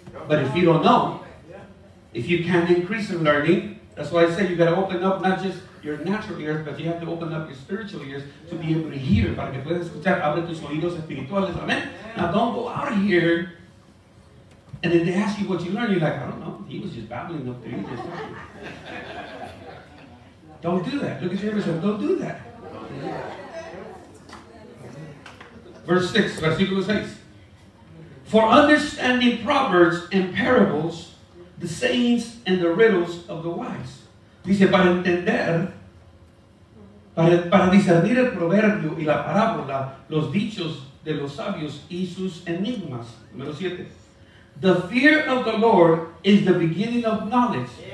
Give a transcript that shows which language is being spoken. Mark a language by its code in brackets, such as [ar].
[en] But if you don't know, if you can't increase in learning, that's why I said you got to open up not just your natural ears, but you have to open up your spiritual ears to be able to hear. [es] Para que puedas escuchar, abre tus oídos espirituales. [en] Amen. Now don't go out of here. And then they ask you what you learned. You're like, I don't know. He was just babbling up there. Don't do that. Look at your neighbor and say, don't do that. Verse 6, versículo 6. For understanding proverbs and parables, the sayings and the riddles of the wise. [es] Dice, para entender, para discernir el proverbio y la parábola, los dichos de los sabios y sus enigmas. Número 7. [en] The fear of the Lord is the beginning of knowledge.